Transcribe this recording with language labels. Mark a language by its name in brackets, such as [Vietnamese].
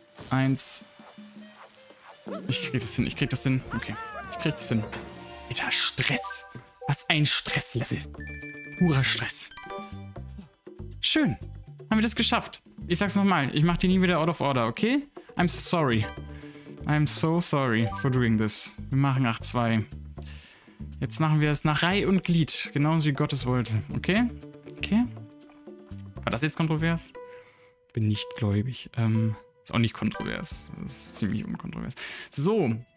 [German] Eins. Ich krieg das hin, ich krieg das hin. Okay, ich krieg das hin. Alter, Stress. Was ein Stresslevel. Purer Stress. Schön. Haben wir das geschafft? Ich sag's nochmal, ich mach die nie wieder [English] out of order, [German] okay? [English] I'm so sorry. I'm so sorry for doing this. [German] Wir machen 8-2. Jetzt machen wir es nach Reihe und Glied, genauso wie Gott es wollte, okay? Okay? War das jetzt kontrovers? Bin nicht gläubig. Ist auch nicht kontrovers. Das ist ziemlich unkontrovers. So.